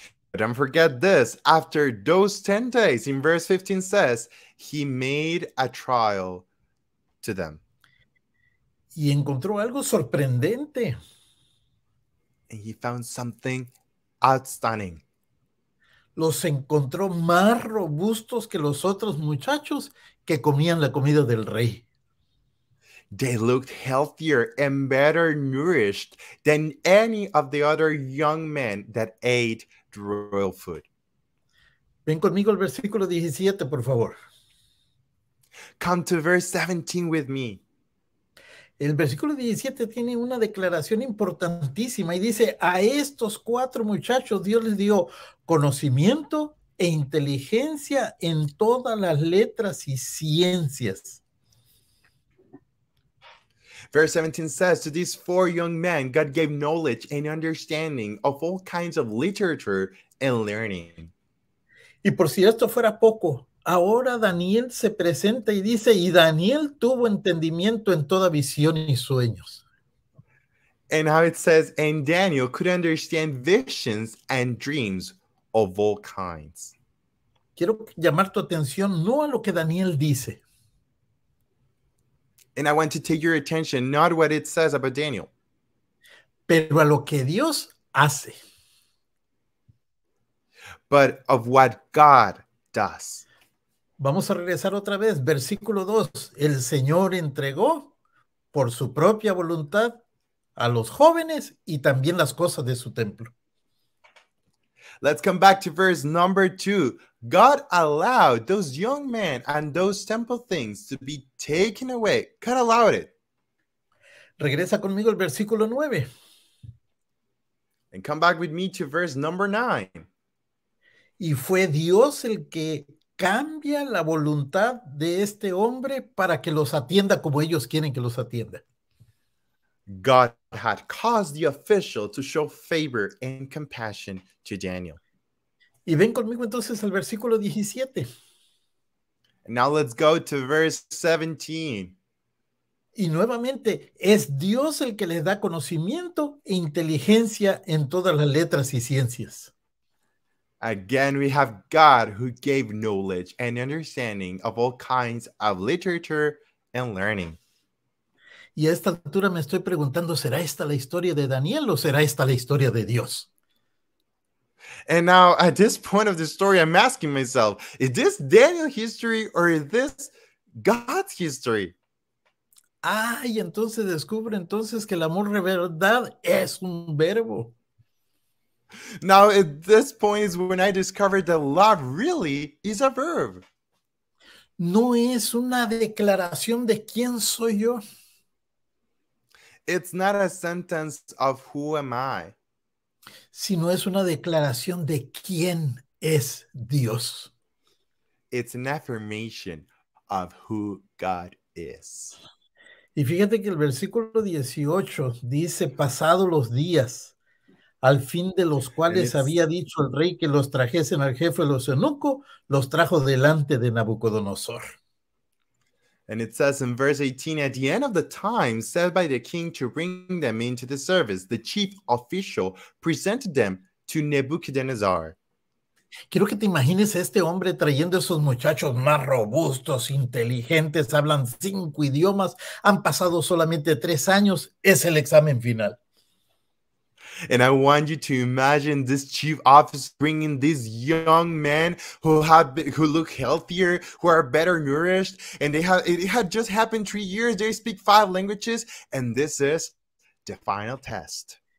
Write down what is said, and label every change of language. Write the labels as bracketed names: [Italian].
[English] But don't forget this. After those 10 days, in verse 15 says, he made a trial to them. [Spanish] Y encontró algo sorprendente. [English] And he found something outstanding. [Spanish] Los encontró más robustos que los otros muchachos que comían la comida del rey. [English] They looked healthier and better nourished than any of the other young men that ate the royal food. [Spanish] Ven conmigo al versículo 17, por favor. [English] Come to verse 17 with me. [Spanish] El versículo 17 tiene una declaración importantísima y dice, a estos cuatro muchachos Dios les dio conocimiento e inteligencia en todas las letras y ciencias. [English] Verse 17 says, to these four young men, God gave knowledge and understanding of all kinds of literature and learning. [Spanish] Y por si esto fuera poco, ahora Daniel se presenta y dice, y Daniel tuvo entendimiento en toda visión y sueños. [English] And now it says, and Daniel could understand visions and dreams of all kinds. [Spanish] Quiero llamar tu atención no a lo que Daniel dice. [English] And I want to take your attention, not what it says about Daniel. [Spanish] Pero a lo que Dios hace. [English] But of what God does. [Spanish] Vamos a regresar otra vez. Versículo 2. El Señor entregó por su propia voluntad a los jóvenes y también las cosas de su templo. [English] Let's come back to verse number two. God allowed those young men and those temple things to be taken away. God allowed it. [Spanish] Regresa conmigo al versículo 9. [English] And come back with me to verse number 9. [Spanish] Y fue Dios el que cambia la voluntad de este hombre para que los atienda como ellos quieren que los atienda. [English] God had caused the official to show favor and compassion to Daniel. [Spanish] Y ven conmigo entonces al versículo 17. [English] Now let's go to verse 17. [Spanish] Y nuevamente, es Dios el que le da conocimiento e inteligencia en todas las letras y ciencias. [English] Again, we have God who gave knowledge and understanding of all kinds of literature and learning. [Spanish] Y a esta altura me estoy preguntando, ¿será esta la historia de Daniel o será esta la historia de Dios? [English] And now, at this point of the story, I'm asking myself, is this Daniel's history or is this God's history? [Spanish] Ay, entonces descubre entonces que el amor de verdad es un verbo. [English] Now, at this point is when I discovered that love really is a verb. [Spanish] No es una declaración de quién soy yo. [English] It's not a sentence of who am I. [Spanish] Sino es una declaración de quién es Dios. [English] It's an affirmation of who God is. [Spanish] Y fíjate que el versículo 18 dice, pasado los días, al fin de los cuales había dicho el rey que los trajesen al jefe de los eunucos, los trajo delante de Nabucodonosor. [English] And it says in verse 18, at the end of the time set by the king to bring them into the service, the chief official presented them to Nebuchadnezzar. [Spanish] Quiero que te imagines a este hombre trayendo esos muchachos más robustos, inteligentes, hablan 5 idiomas, han pasado solamente 3 años, es el examen final. [English] And I want you to imagine this chief officer bringing these young men who look healthier, who are better nourished, and it had just happened 3 years. They speak 5 languages, and this is the final test.